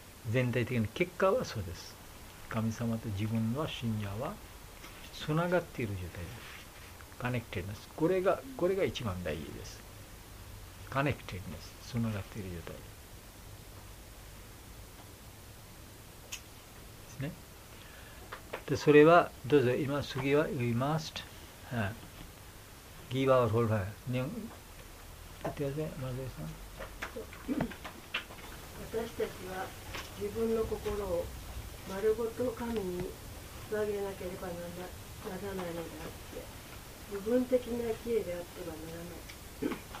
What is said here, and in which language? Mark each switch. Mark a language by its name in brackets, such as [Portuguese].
[Japanese] 全体的な結果はそうです。神様と自分は信者はつながっている状態です。カネクティブです。これが一番大事です。カネクティブです。つながっている状態ですね。で、それはどうぞ今次は [English] we must give our whole life。 [Japanese] ね、言ってください、マゼさん。私たちは自分の心を丸ごと神に捧げなければならないのであって、部分的な知恵であってはならない。